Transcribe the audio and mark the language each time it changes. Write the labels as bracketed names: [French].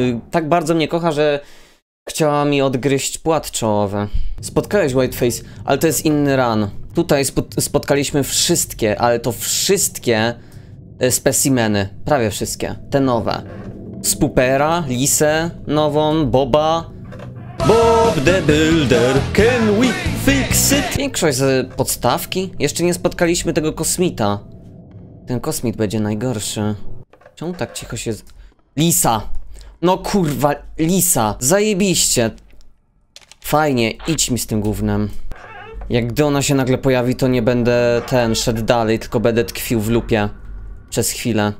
[Polish] Tak bardzo mnie kocha, że chciała mi odgryźć płat czołowy. Spotkałeś Whiteface, ale to jest inny run. Tutaj spotkaliśmy wszystkie, ale to wszystkie specimeny, prawie wszystkie, te nowe. Spupera, Lisę nową, Boba. [English] Bob the Builder, can we fix it? [Polish] Większość z podstawki? Jeszcze nie spotkaliśmy tego kosmita. Ten kosmit będzie najgorszy. Czemu tak cicho się... Lisa! No kurwa, Lisa! Zajebiście! Fajnie, idź mi z tym gównem. Jak gdy ona się nagle pojawi, to nie będę ten szedł dalej, tylko będę tkwił w lupie przez chwilę.